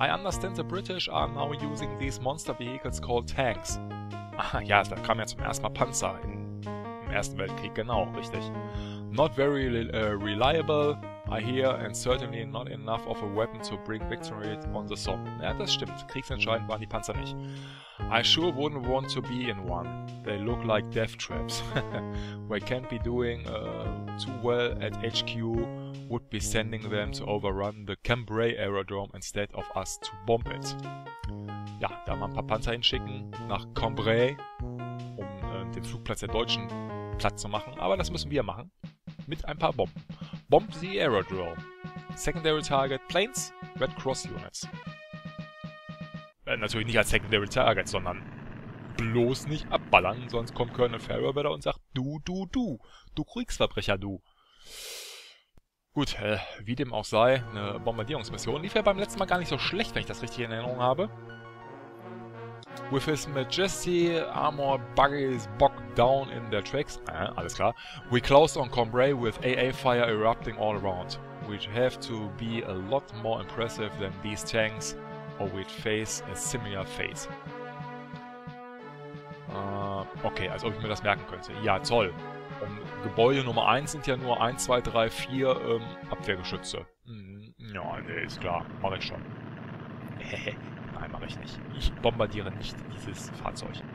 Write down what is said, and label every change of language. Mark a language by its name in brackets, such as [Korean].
[English] I understand the British are now using these monster vehicles called tanks. [German] Ah ja, da kam ja zum ersten Mal Panzer in Ersten Weltkrieg, genau, richtig. [English] Not very reliable, I hear, and certainly not enough of a weapon to bring victory on the Somme. [German] Ja, das stimmt. Kriegsentscheidend waren die Panzer nicht. [English] I sure wouldn't want to be in one. They look like death traps. We can't be doing too well at HQ. Would be sending them to overrun the Cambrai Aerodrome instead of us to bomb it. [German] Ja, da mal ein paar Panzer hinschicken nach Cambrai, um den Flugplatz der Deutschen Platz zu machen, aber das müssen wir machen. Mit ein paar Bomben. [English] Bomb the Aerodrome. Secondary Target Planes, Red Cross Units. [German] Natürlich nicht als Secondary Target, sondern bloß nicht abballern, sonst kommt Colonel Fairweather und sagt, du Kriegsverbrecher, du. Gut, wie dem auch sei, eine Bombardierungsmission lief ja beim letzten Mal gar nicht so schlecht, wenn ich das richtig in Erinnerung habe. [English] With his majesty armored buggies bogged down in their tracks, [German] alles klar. [English] We closed on Cambrai with AA fire erupting all around. We'd have to be a lot more impressive than these tanks, or we'd face a similar fate. [German] Okay, als ob ich mir das merken könnte. Ja, toll. Und Gebäude Nummer 1 sind ja nur 1, 2, 3, 4 Abwehrgeschütze. Ja, nee, ist klar. Mach ich schon. Nein, mache ich nicht. Ich bombardiere nicht dieses Fahrzeug.